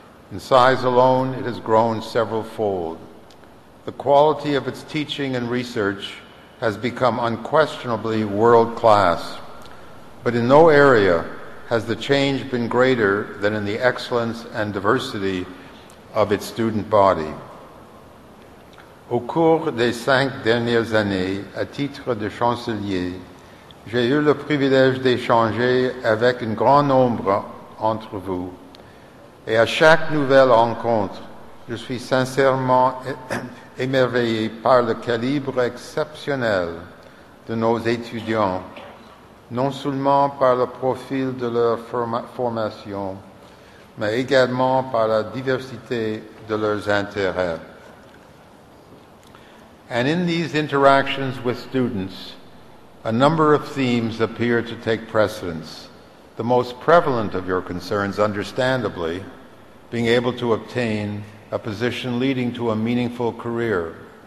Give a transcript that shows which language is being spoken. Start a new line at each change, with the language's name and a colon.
English: In size alone, it has grown several fold. The quality of its teaching and research has become unquestionably world class. But in no area has the change been greater than in the excellence and diversity of its student body.
French: Au cours des cinq dernières années, à titre de chancelier, j'ai eu le privilège d'échanger avec un grand nombre entre vous. Et à chaque nouvelle rencontre, je suis sincèrement émerveillé par le calibre exceptionnel de nos étudiants, non seulement par le profil de leur formation, mais également par la diversité de leurs intérêts.
English: And in these interactions with students, a number of themes appear to take precedence. The most prevalent of your concerns, understandably, being able to obtain a position leading to a meaningful career.